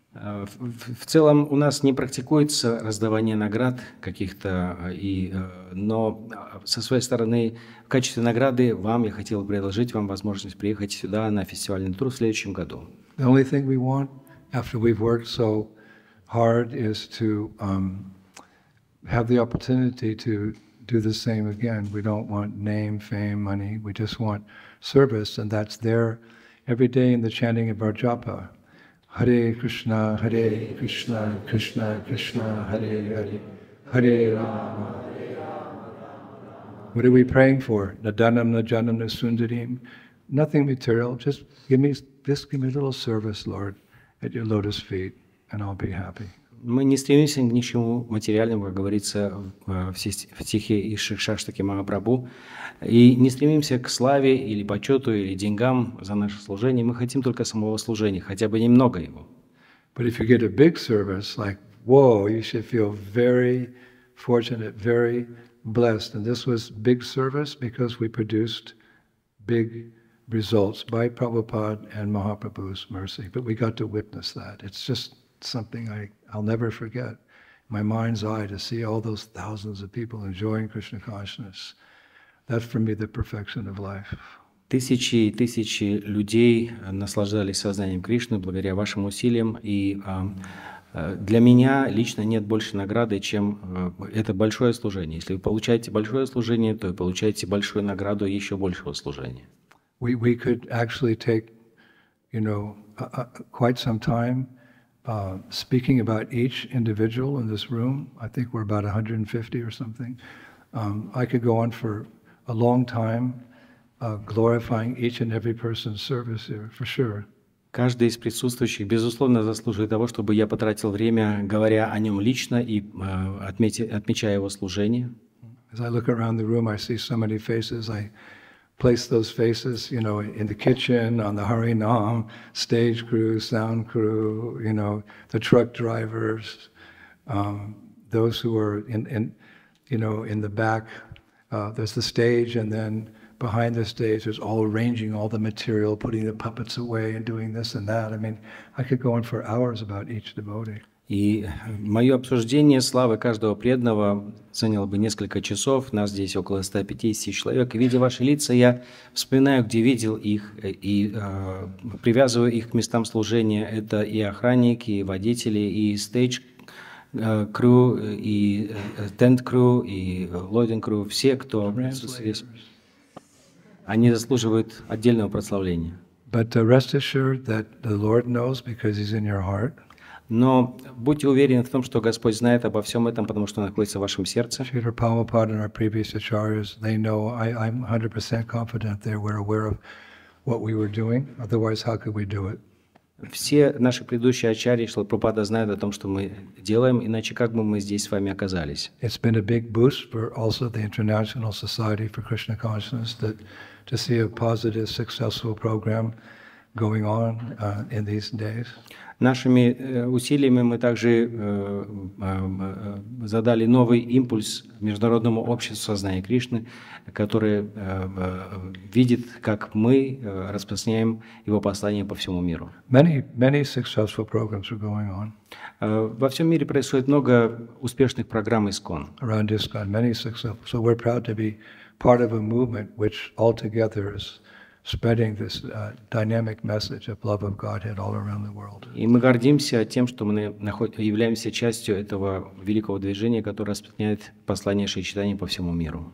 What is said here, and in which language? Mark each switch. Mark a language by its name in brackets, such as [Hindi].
[Russian] В целом у нас не практикуется раздавание наград каких-то, но со своей стороны в качестве награды вам я хотел бы предложить вам возможность приехать сюда на фестивальный тур в следующем году. [English] The only thing we want after we've worked so hard is to have the opportunity to do the same again. We don't want name, fame, money. We just want service, and that's there every day in the chanting of our japa. [Sanskrit] Hare Krishna, Krishna Krishna, Hare Hare, Hare Rama. [English] What are we praying for? [Sanskrit] Nadanam, najanam, nasundarim. [English] Nothing material. Just give me a little service, Lord, at your lotus feet, and I'll be happy. [Russian] Мы не стремимся к ничему материальному, как говорится в стихе Ишикшаштаки Махапрабху, и не стремимся к славе или почету или деньгам за наше служение. Мы хотим только самого служения, хотя бы немного его. [English] But if you get a big service, like, whoa, you should feel very fortunate, very blessed. And this was big service because we produced big results by Prabhupada and Mahaprabhu's mercy. But we got to witness that. It's just something I'll never forget. My mind's eye to see all those thousands of people enjoying Krishna consciousness. That's for me the perfection of life. [Russian] Тысячи и тысячи людей наслаждались сознанием Кришны благодаря вашим усилиям, и для меня лично нет больше награды, чем это большое служение. Если вы получаете большое служение, то вы получаете большую награду еще большего служения. [English] We could actually take, you know, quite some time speaking about each individual in this room. I think we're about 150 or something. I could go on for a long time glorifying each and every person's service here, for sure. [Russian] Каждый из присутствующих, безусловно, заслуживает того, чтобы я потратил время, говоря о нем лично и отмечая его служение. [English] As I look around the room, I see so many faces. I place those faces, you know, in the kitchen, on the Harinam, stage crew, sound crew, you know, the truck drivers, those who are in the back. There's the stage, and then behind the stage, there's all arranging all the material, putting the puppets away and doing this and that. I mean, I could go on for hours about each devotee. [Russian] И мое обсуждение славы каждого преданного заняло бы несколько часов. Нас здесь около 150 человек. И видя ваши лица, я вспоминаю, где видел их, и привязываю их к местам служения. Это и охранники, и водители, и [English] stage crew, [Russian] и [English] tent crew, [Russian] и [English] loading crew. [Russian] Все, кто они заслуживают отдельного прославления. [English] But rest assured that the Lord knows because He's in your heart. [Russian] Но будьте уверены в том, что Господь знает обо всем этом, потому что находится в вашем сердце. Шри Прабхупада и наши предыдущие ачарьи, [English] they know. I'm 100% confident they were aware of what we were doing. Otherwise, how could we do it? [Russian] Все наши предыдущие ачарьи, Шри Прабхупада, знают о том, что мы делаем, иначе как бы мы здесь с вами оказались? [English] It's been a big boost for also the International Society for Krishna Consciousness that to see a positive, successful program going on in these days. [Russian] Нашими усилиями мы также задали новый импульс международному обществу сознания Кришны, которое видит, как мы распространяем его послание по всему миру. [English] Many successful programs are going on. [Russian] Во всем мире происходит много успешных программ ISKCON. [English] Around ISKCON, many successful. So we're proud to be part of a movement which altogether is spreading this dynamic message of love of Godhead all around the world. [Russian] И мы гордимся тем, что мы являемся частью этого великого движения, которое распространяет послание Шичитания по всему миру.